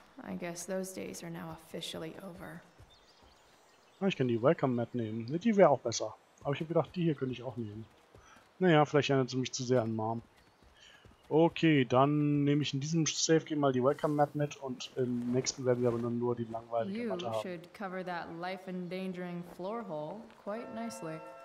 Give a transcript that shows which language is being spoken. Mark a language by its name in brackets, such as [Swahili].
[English] I guess those days are now officially over. [German] Ich kann die Welcome Mat nehmen. Die wäre auch besser. Aber ich habe gedacht, die hier könnte ich auch nehmen. Naja, vielleicht erinnert sie mich zu sehr an Mom. Okay, dann nehme ich in diesem Safe Game mal die Welcome Mat mit und im nächsten werden wir aber nur die langweilige you Matte haben. [English] You should cover that life-endangering floor hole quite nicely.